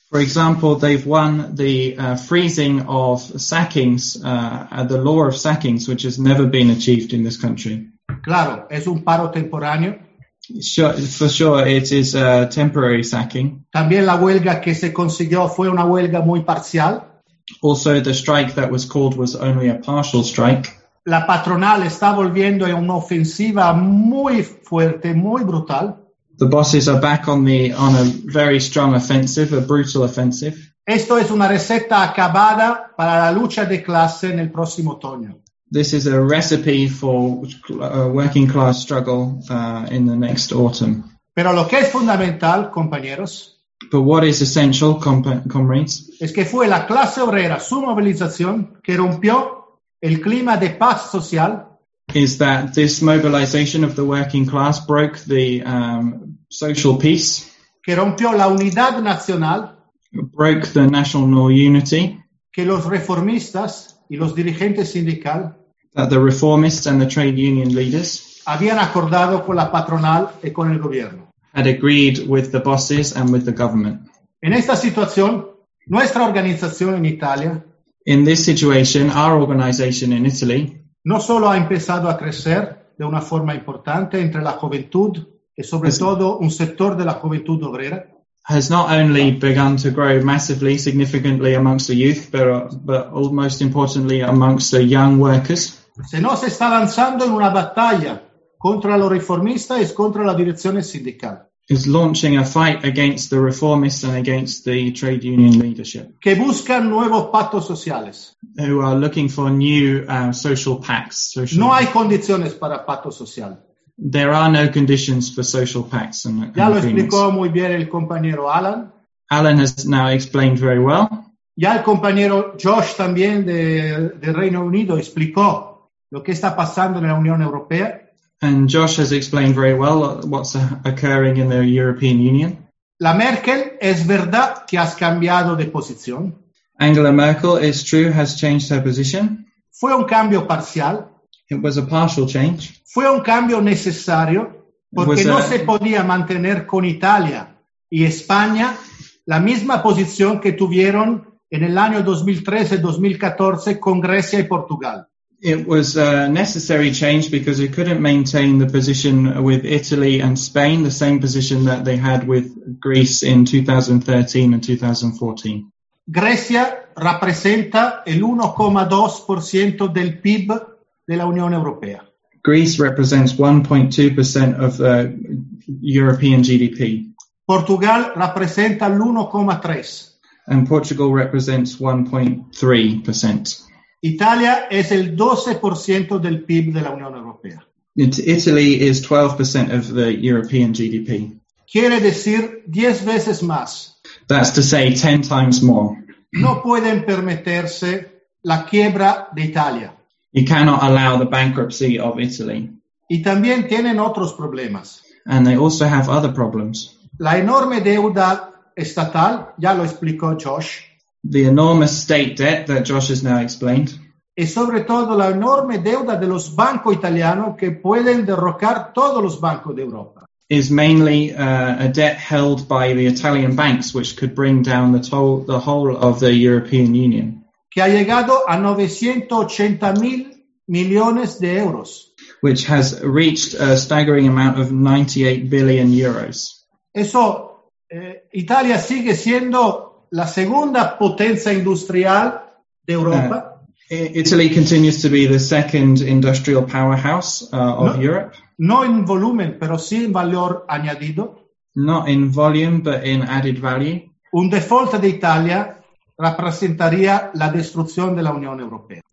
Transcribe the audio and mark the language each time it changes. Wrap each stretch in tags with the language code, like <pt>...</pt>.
<en>For example, they've won the freezing of sackings, the law of sackings, which has never been achieved in this country.</en> <es>Claro, es un paro temporáneo.</es> <en>Sure, for sure, it is a temporary sacking.</en> <es>También la huelga que se consiguió fue una huelga muy parcial.</es> <en>Also, the strike that was called was only a partial strike.</en> <es>La patronal está volviendo en una ofensiva muy fuerte, muy brutal.</es> <en>The bosses are back on a very strong offensive, a brutal offensive.</en> <es>Esto es una receta acabada para la lucha de clase en el próximo otoño.</es> <en>This is a recipe for a working class struggle in the next autumn.</en> <es>Pero lo que es fundamental, compañeros.</es> <en>But what is essential, comrades?</en> <es>Es que fue la clase obrera, su movilización, que rompió el clima de paz social.</es> <en>Is that this mobilization of the working class broke the social peace.</en> <es>Que rompió la unidad nacional.</es> <en>Broke the national unity.</en> <es>Que los reformistas y los dirigentes sindicales.</es> <en>That the reformists and the trade union leaders</en> <es>habían acordado con la patronal y con el gobierno.</es> <en>Had agreed with the bosses and with the government.</en> <es>En esta situación, nuestra organización en Italia,</es> <en>in this situation, our organization in Italy,</en> <es>No solo ha empezado a crecer de una forma importante entre la juventud y sobre todo un sector de la juventud obrera.</es> <en>Has not only begun to grow massively, significantly amongst the youth, but almost importantly amongst the young workers.</en> <es>Se nos está lanzando en una batalla contra los reformistas y contra la dirección sindical.</es> <en>Is launching a fight against the reformists and against the trade union leadership.</en> <es>Que buscan nuevos pactos sociales.</es> <en>Who are looking for new social pacts. Social</en> <es>no hay condiciones para pacto social.</es> <en>There are no conditions for social pacts and agreements.</en> <es>Ya lo explicó muy bien el compañero Alan.</es> <en>Alan has now explained very well.</en> <es>Ya el compañero Josh también de Reino Unido explicó lo que está pasando en la Unión Europea.</es> <en>And Josh has explained very well what's occurring in the European Union.</en> <es>La Merkel es verdad que has cambiado de posición.</es> <en>Angela Merkel, it's true, has changed her position.</en> <es>Fue un cambio parcial.</es> <en>It was a partial change.</en> <es>Fue un cambio necesario porque no se podía mantener con Italia y España la misma posición que tuvieron en el año 2013-2014 con Grecia y Portugal.</es> <en>It was a necessary change because it couldn't maintain the position with Italy and Spain, the same position that they had with Greece in 2013 and 2014.</en> <es>Grecia representa el 1,2% del PIB de la Unión Europea.</es> <en>Greece represents 1.2% of the European GDP.</en> <es>Portugal representa el 1,3%.</es> <en>And Portugal represents 1.3%.</en> <es>Italia es el 12% del PIB de la Unión Europea.</es> <en>Italy is 12% of the European GDP.</en> <es>Quiere decir 10 veces más.</es> <en>That's to say 10 times more.</en> <es>No pueden permitirse la quiebra de Italia.</es> <en>You cannot allow the bankruptcy of Italy.</en> <es>Y también tienen otros problemas.</es> <en>And they also have other problems.</en> <es>La enorme deuda estatal, ya lo explicó Josh.</es> <en>The enormous state debt that Josh has now explained.</en> <es>Y sobre todo la enorme deuda de los bancos italianos que pueden derrocar todos los bancos de Europa.</es> <en>Is mainly a debt held by the Italian banks, which could bring down the whole of the European Union.</en> <es>Que ha llegado a 980 mil millones de euros.</es> <en>Which has reached a staggering amount of 98 billion euros.</en> <es>Eso, Italia sigue siendo la segunda potencia industrial de Europa.</es> <en>Italy continues to be the second industrial powerhouse of Europe.</en> <es>No en volumen, pero sí en valor añadido.</es> <en>Not in volume, but in added value.</en> <es>Un default de Italia representaría la destrucción de la Unión Europea.</es>